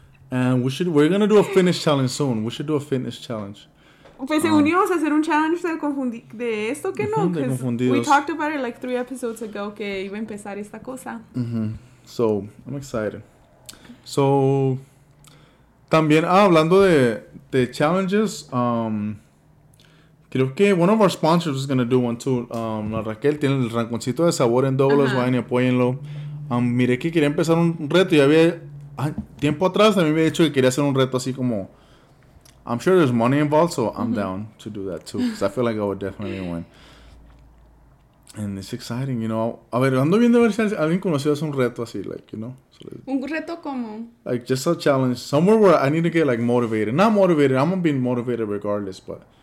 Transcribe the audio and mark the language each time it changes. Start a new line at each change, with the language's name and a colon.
English: And we're gonna do a fitness challenge soon. We should do a fitness challenge.
Spanish: Pues se unió a hacer un challenge de esto que no. De confundidos.
English: We talked about it like 3 episodes ago
Spanish: que iba a empezar esta cosa.
English: Mm-hmm. So, I'm excited. So,
Spanish: también hablando de challenges, creo que
English: one of our sponsors is gonna do one too.
Spanish: La Raquel tiene el ranconcito de sabor en Douglas. Uh-huh. Vayan y apóyenlo. Miré que quería empezar un reto y había. Tiempo atrás también me había dicho que quería hacer un reto así como.
English: I'm sure there's money involved, so I'm mm-hmm. down to do that too. Because I feel like I would definitely win. And it's exciting, you know.
Spanish: A ver, ando viendo a ver si alguien conocido hace un reto así,
English: like, you know. So,
Spanish: un reto como.
English: Like, just a challenge. Somewhere where I need to get, like, motivated. Not motivated, I'm going to be motivated regardless, but.